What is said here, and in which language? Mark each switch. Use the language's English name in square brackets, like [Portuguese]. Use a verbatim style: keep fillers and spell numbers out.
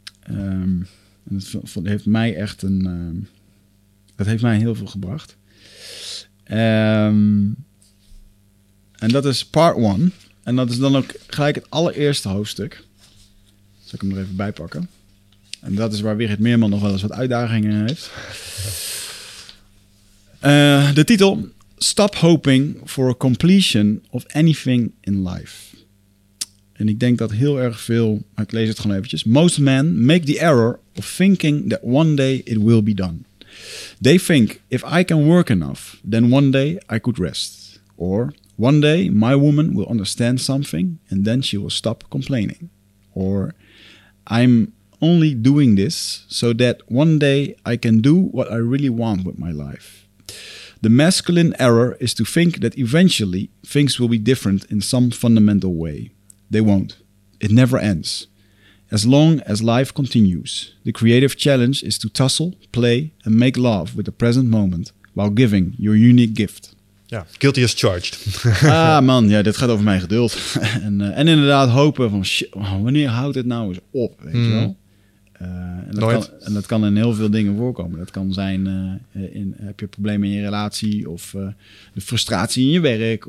[Dutch] Um, dat heeft mij echt een, um, dat heeft mij heel veel gebracht. Um, en dat is [English] part one. [Dutch] En dat is dan ook gelijk het allereerste hoofdstuk. Zal ik hem er even bij pakken. En dat is waar Wigert Meerman nog wel eens wat uitdagingen heeft. Uh, de titel... [English] Stop hoping for a completion of anything in life. [Dutch] En ik denk dat heel erg veel... Ik lees het gewoon eventjes. [English] Most men make the error of thinking that one day it will be done. They think, if I can work enough, then one day I could rest. Or, one day my woman will understand something and then she will stop complaining. Or... I'm only doing this so that one day I can do what I really want with my life. The masculine error is to think that eventually things will be different in some fundamental way. They won't. It never ends. As long as life continues, the creative challenge is to tussle, play, and make love with the present moment while giving your unique gift. Ja, guilty as charged. [Dutch] Ah man, ja, dit gaat over mijn geduld. en, uh, en inderdaad hopen van, shit, wanneer houdt het nou eens op? Weet mm. je wel? Uh, en, dat kan, en dat kan in heel veel dingen voorkomen. Dat kan zijn, uh, in, heb je problemen in je relatie of uh, de frustratie in je werk.